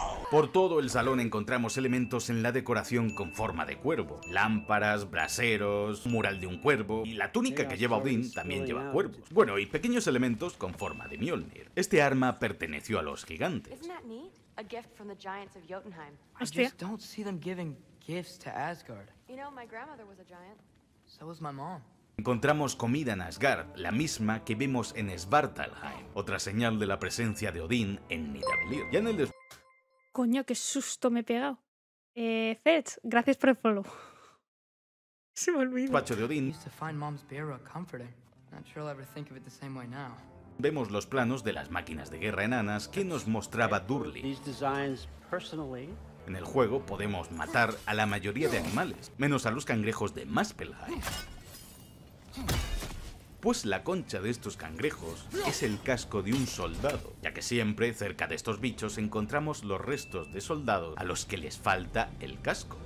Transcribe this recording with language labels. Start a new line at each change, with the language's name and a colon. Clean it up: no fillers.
Spanish: Por todo el salón encontramos elementos en la decoración con forma de cuervo. Lámparas, braseros, mural de un cuervo y la túnica que lleva Odín también lleva cuervos. Bueno, y pequeños elementos con forma de Mjolnir. Este arma perteneció a los gigantes.
English: A gift from the giants of Jotunheim. I just don't see them giving gifts to Asgard. You know, my grandmother was a giant. So was my mom.
Spanish: Encontramos comida en Asgard, la misma que vimos en Svartalheim. Otra señal de la presencia de Odín en Nidavellir. Ya en el Coño, qué susto me he pegado. Fetch, gracias por el follow. Se me olvidó. Despacho de Odín.
English: I used to find mom's bureau comforting. Not sure I'll ever think of it the same way now.
Spanish: Vemos los planos de las máquinas de guerra enanas que nos mostraba Durli. En el juego podemos matar a la mayoría de animales, menos a los cangrejos de Muspelheim. Pues la concha de estos cangrejos es el casco de un soldado, ya que siempre cerca de estos bichos encontramos los restos de soldados a los que les falta el casco.